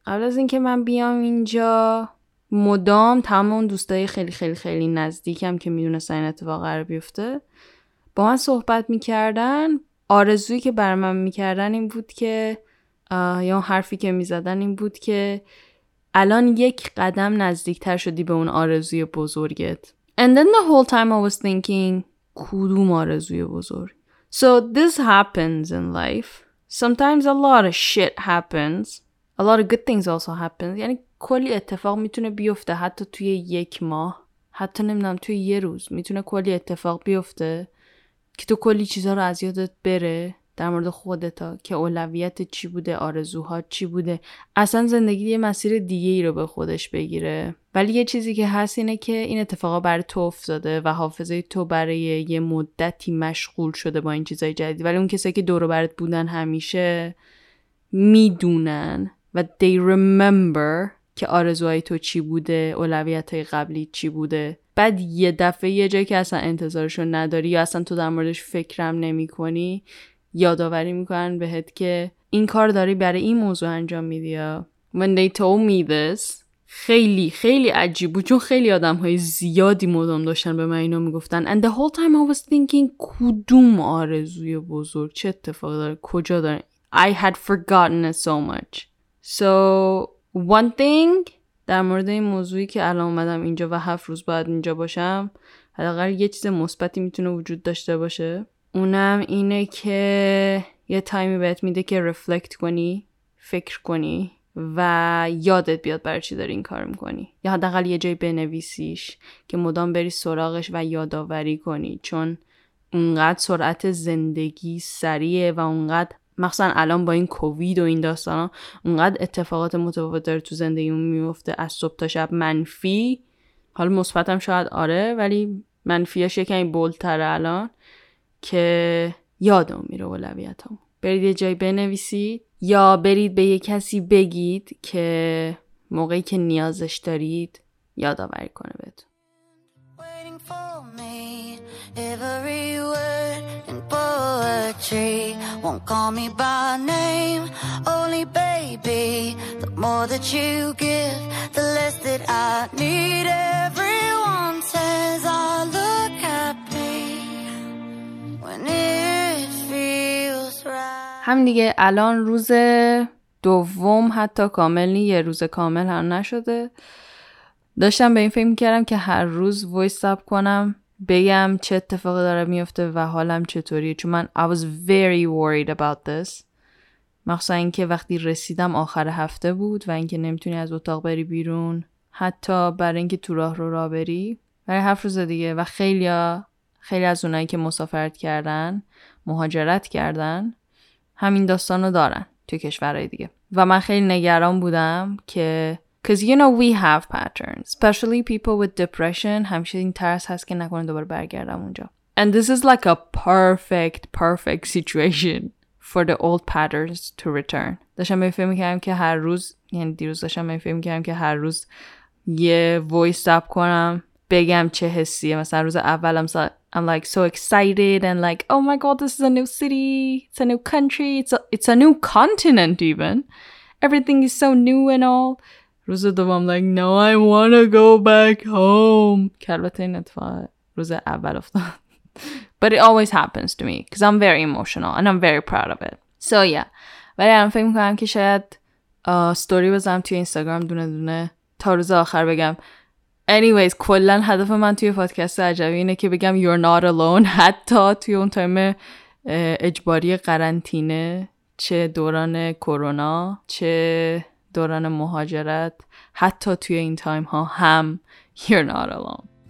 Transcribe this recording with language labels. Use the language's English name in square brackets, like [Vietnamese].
[Persian] قبل از اینکه من بیام اینجا مدام تمام دوستای خیلی خیلی خیلی نزدیکم که میدونستن این اتفاق قرار بیفته با من صحبت میکردن. آرزویی که بر من میکردن این بود که یا حرفی که میزدن این بود که الان یک قدم نزدیکتر شدی به اون آرزوی بزرگت. [English] And then the whole time I was thinking [Persian] کدوم آرزوی بزرگ. [English] So this happens in life. Sometimes a lot of shit happens. A lot of good things also happen. [Persian] یعنی کلی اتفاق میتونه بیفته حتی توی یک ماه، حتی نمیدونم توی یه روز میتونه کلی اتفاق بیفته که تو کلی چیزها رو از یادت بره در مورد خودتا، که اولویت چی بوده، آرزوها چی بوده، اصلا زندگی یه مسیر دیگه ای رو به خودش بگیره. ولی یه چیزی که هست اینه که این اتفاقا برای تو افتاده و حافظه تو برای یه مدتی مشغول شده با این چیزای جدید، ولی اون کسایی که دور و برت بودن همیشه میدونن و [English] they remember [Persian] که آرزوهای تو چی بوده، اولویت‌های قبلی چی بوده. بعد یه دفعه یه جایی که اصلا انتظارشو نداری یا اصلا تو در موردش فکرم نمی‌کنی یادآوری میکنن بهت که این کار داری برای این موضوع انجام میدی. [English] When they told me this [Persian] خیلی خیلی عجیب بود، چون خیلی آدم های زیادی مدام داشتن به من اینو میگفتن. [English] And the whole time I was thinking [Persian] کدوم آرزوی بزرگ، چه اتفاق داره، کجا داره. [English] I had forgotten it so much. So one thing [Persian] در مورد این موضوعی که الان اومدم اینجا و 7 روز بعد اینجا باشم، حداقل یه چیز مثبتی میتونه وجود داشته باشه، اونم اینه که یه تایمی بهت میده که رفلکت کنی، فکر کنی و یادت بیاد برای چی داری این کار میکنی، یا حداقل یه جای بنویسیش که مدام بری سراغش و یادآوری کنی. چون اونقدر سرعت زندگی سریعه و اونقدر مخصوصا الان با این کووید و این داستانا اونقدر اتفاقات متفاوت داره تو زندگیمون میفته، از صبح تا شب منفی، حالا مثبتم شاید آره ولی منفیش یکم بولتره الان، که یادم میره اولویتام. برید یه جایی بنویسید یا برید به یه کسی بگید که موقعی که نیازش دارید یادآوری کنه بهتون. [English] Waiting for me, every word in poetry won't call me by name, only baby. The more that you give, the less that I need. Everyone says I look happy when it feels right. [Persian] همین دیگه، الان روز دوم، حتی کاملی یه روز کامل هم نشده. داشتم به این فکر میکردم که هر روز وایس اپ کنم بگم چه اتفاقی داره میفته و حالم چطوریه، چون من [English] I was very worried about this، [Persian] مخصوصا اینکه وقتی رسیدم آخر هفته بود و اینکه نمیتونی از اتاق بری بیرون حتی برای اینکه تو راه رو را بری برای 7 روز دیگه. و خیلی از اونایی که مسافرت کردن، مهاجرت کردن، همین داستان رو دارن توی کشورهای دیگه. و من خیلی نگران بودم که [English] Because you know we have patterns, especially people with depression. [Persian] همیشه این ترس هست که نکنه دوباره برگردم اونجا. [English] And this is like a perfect situation for the old patterns to return. [Persian] داشتم می فهمی کردم که هر روز، یعنی دیروز داشتم می فهمی کردم که هر روز یه voice up کنم بگم چه حسیه. مثلا روز اول [English] I'm like so excited and like, oh my god, this is a new city, it's a new country, it's a new continent even. Everything is so new and all. [Persian] روز دوم [English] I'm like no I wanna go back home. [Persian] البته این اتفاق روز اول افتاد. [English] But it always happens to me because I'm very emotional and I'm very proud of it. So yeah. [Persian] ولی الان فکر میکنم که شاید ستوری بزنم توی اینستاگرام دونه دونه تا روز آخر بگم. Anyways، کلن هدف من توی پادکست عجبی اینه که بگم [English] you're not alone. [Persian] حتی توی اون تایم اجباری قرنطینه، چه دوران کرونا، چه دوران مهاجرت، حتی توی این تایم ها هم [English] You're not alone.